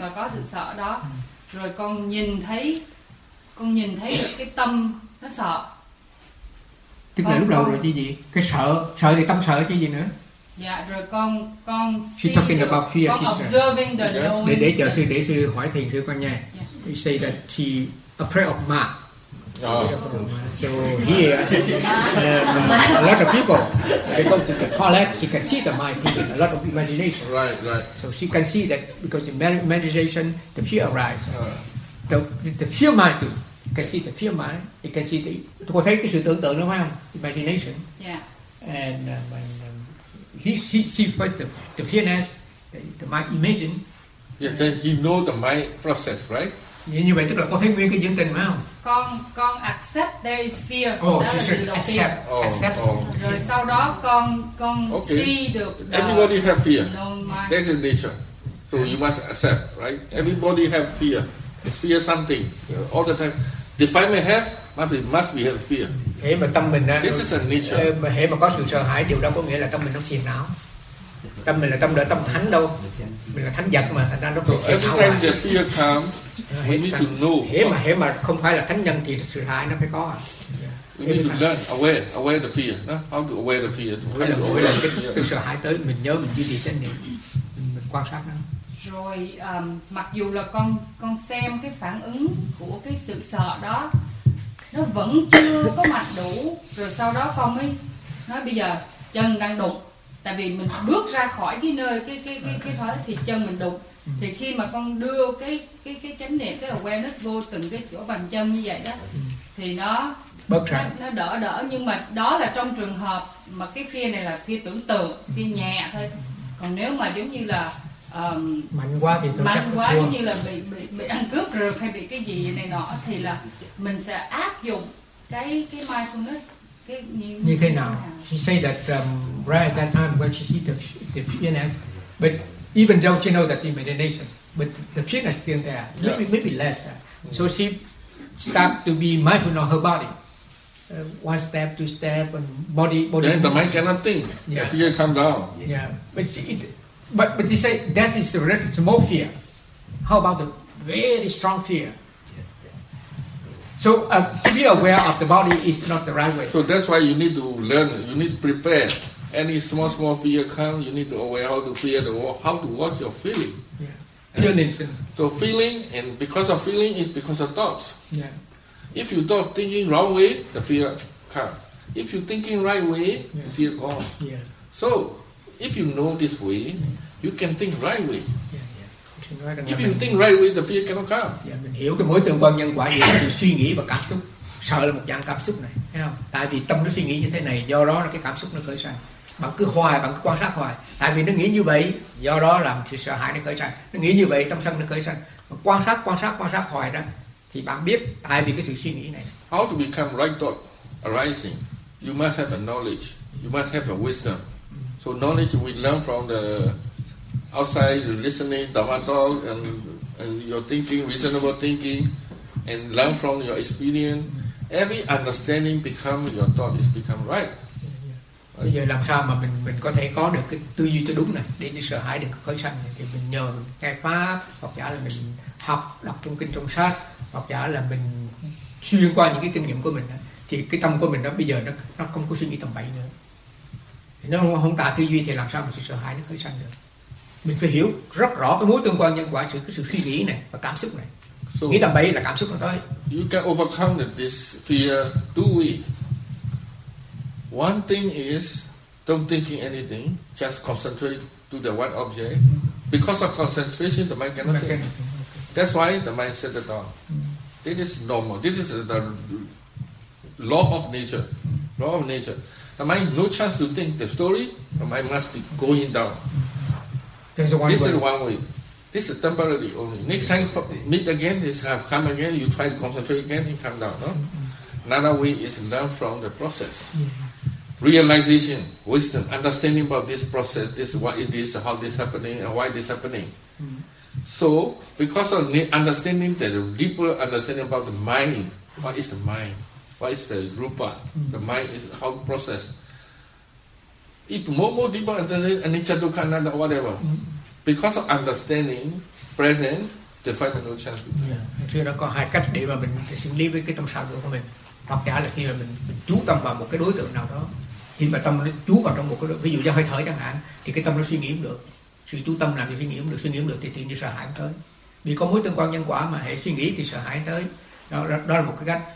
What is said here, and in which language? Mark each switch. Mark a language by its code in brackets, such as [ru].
[vi] là có sự sợ đó, rồi con nhìn thấy được cái tâm nó sợ. Tức là lúc đầu rồi chứ gì? Cái sợ, sợ thì tâm sợ chứ gì nữa? Dạ, rồi con [en] she's talking about fear. Con observing the knowing. [vi] Để chờ sư, để sư hỏi thiền sư con nha. [en] He say that she afraid of ma. So here, a lot of people, they go to the toilet, she can see the mind thinking, a lot of imagination. Right. So she can see that because imagination, the fear arise. The fear mind too. Can see the fear mind, you can see the, [vi] tôi có thấy cái sự tưởng tượng đúng không? [en] Imagination. Yeah. And he first the fearness, the mind imagine. Yeah, then he know the mind process, right? [vi] Yeah, như vậy tức là có thấy nguyên cái diễn trình phải không? [en] Con accept there is fear. Oh, accept. [vi] Rồi sau đó con okay. See được. [en] Everybody have fear. That is nature. So you must accept, right? Everybody have fear. Fear something all the time. Define we have must be have fear. [vi] Hễ mà tâm mình nó, hễ mà có sự sợ hãi điều đó có nghĩa là tâm mình nó phiền não. Tâm mình là tâm đỡ tâm thánh đâu, mình là thánh vật mà thành ra nó phiền não. [en] Every time the fear comes, we need to know. [vi] Hễ mà không phải là thánh nhân thì sự hãi nó phải có. [en] We need to learn aware the fear. How to aware the fear? [vi] Mỗi lần cái sợ hãi tới mình nhớ mình duy trì chánh niệm, mình quan sát nó. Rồi mặc dù là con xem cái phản ứng của cái sự sợ đó nó vẫn chưa có mạnh đủ, rồi sau đó con mới nói bây giờ chân đang đụng, tại vì mình bước ra khỏi cái nơi cái thói thì chân mình đụng, thì khi mà con đưa cái chánh niệm, cái awareness vô từng cái chỗ bàn chân như vậy đó thì nó bớt ra, nó đỡ. Nhưng mà đó là trong trường hợp mà cái phía này là phía tưởng tượng, phía nhẹ thôi. Còn nếu mà giống như là mạnh quá thì mạnh quá giống như là bị ăn cướp rượt hay bị cái gì này nọ thì là mình sẽ áp dụng cái mindfulness như thế nào? [en] She said that right at that time when she see the fitness, but even though she know that the meditation, but the fitness still there, maybe less. So she start to be mindful of her body. One step, two step, and body. Then the mind cannot think. Yeah. The fear come down. Yeah. But you say that is the rest small fear. How about the very strong fear? So to be aware of the body is not the right way. So that's why you need to learn. You need to prepare. Any small fear come, you need to aware how to fear the how to watch your feeling. Yeah. And so feeling, and because of feeling is because of thoughts. Yeah. If you thought thinking wrong way, the fear come. If you thinking right way, the fear gone. Yeah. So if you know this way, you can think right way. Yeah. If you think right way, the fear cannot come. Yeah. [vi] Hiểu cái mối tương quan nhân quả gì thì suy nghĩ và cảm xúc. Sợ là một dạng cảm xúc này, thấy không? Tại vì tâm nó suy nghĩ như thế này, do đó là cái cảm xúc nó khởi sanh. Bạn cứ hoài, bạn cứ quan sát hoài. Tại vì nó nghĩ như vậy, do đó làm sự sợ hãi nó khởi sanh. Nó nghĩ như vậy, tâm sân nó khởi sanh. Quan sát hoài đó. Thì bạn biết tại vì cái sự suy nghĩ này. [en] How to become right thought arising? You must have a knowledge. You must have a wisdom. So knowledge we learn from the outside, the listening, Dhamma talk, and your thinking, reasonable thinking, and learn from your experience. Every understanding become your thought is become right. [vi] Bây giờ làm sao mà mình có thể có được cái tư duy cho đúng này, để sợ hãi được khởi sanh này, thì mình nhờ nghe pháp, hoặc giả là mình học đọc trong kinh trong sách, hoặc giả là mình xuyên qua những cái kinh nghiệm của mình này, thì cái tâm của mình đó bây giờ nó không có suy nghĩ tầm bậy nữa. Nếu không tạo tư duy thì làm sao mà sự sợ hãi nó khởi sanh được. Mình phải hiểu rất rõ cái mối tương quan nhân quả giữa cái sự suy nghĩ này và cảm xúc này. [en] So, [vi] nghĩ tầm bậy là cảm xúc nó tới. [en] You can overcome this fear two ways. One thing is don't thinking anything, just concentrate to the one object. Because of concentration, the mind cannot think. That's why the mind settle down. This is normal. This is the law of nature. Law of nature. The mind no chance to think the story. The mind must be going down. This is one way. This is temporary only. Next time meet again, this have come again. You try to concentrate again, you come down. No? Another way is learn from the process. Realization, wisdom, understanding about this process, this what it is, how this happening, and why this happening. So, because of understanding the deeper understanding about the mind, what is the mind, what is the rupa, the mind is how to process. If more deeper understanding, anicca dukkha anatta, whatever, because of understanding present, they find no chance. [vi] Yeah, chưa đã có hai cách để mà mình xử lý với cái tâm sao của mình, hoặc giả là khi mà mình chú tâm vào một cái đối tượng nào đó. Khi mà tâm nó chú vào trong một cái, ví dụ như hơi thở chẳng hạn, thì cái tâm nó suy nghĩ không được. Sự tu tâm làm gì suy nghĩ không được, suy nghĩ không được thì tự nhiên sợ hãi tới. Vì có mối tương quan nhân quả mà hệ suy nghĩ thì sợ hãi tới. Đó là một cái cách.